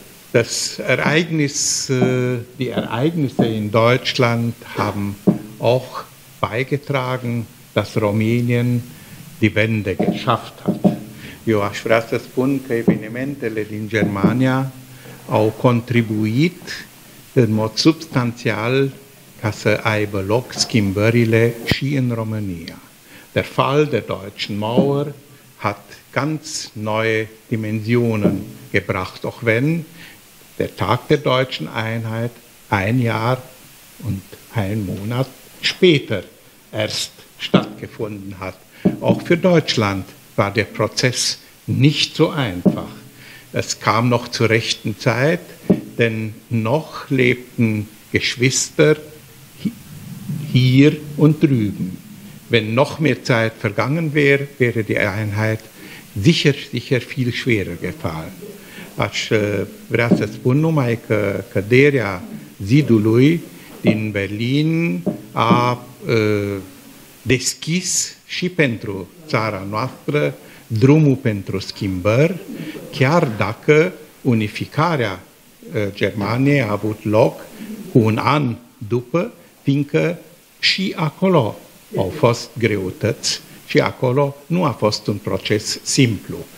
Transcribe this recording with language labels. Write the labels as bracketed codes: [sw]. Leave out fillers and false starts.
[de] Das Ereignis, die Ereignisse in Deutschland haben auch beigetragen, dass Rumänien die Wende geschafft hat. [ro] Eu aș vrea să spun că evenimentele din Germania au contribuit în mod substanțial ca să aibă loc schimbările și în România. [de] Der Fall der deutschen Mauer hat ganz neue Dimensionen gebracht, auch wenn der Tag der deutschen Einheit ein Jahr und ein Monat später erst stattgefunden hat. Auch für Deutschland war der Prozess nicht so einfach. Es kam noch zur rechten Zeit, denn noch lebten Geschwister hier und drüben. Wenn noch mehr Zeit vergangen wäre, wäre die Einheit sicher, sicher viel schwerer gefallen. [ro] Aș vrea să spun numai că căderea zidului din Berlin a deschis și pentru țara noastră drumul pentru schimbări, chiar dacă unificarea Germaniei a avut loc un an după, fiindcă și acolo au fost greutăți și acolo nu a fost un proces simplu.